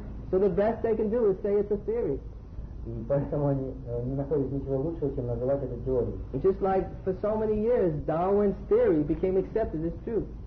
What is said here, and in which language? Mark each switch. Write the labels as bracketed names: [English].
[English] So the best they can do is say it's a theory. [Russian] И поэтому они не находят ничего лучшего, чем называть это теорией. [English] Just like for so many years, Darwin's theory became accepted as truth.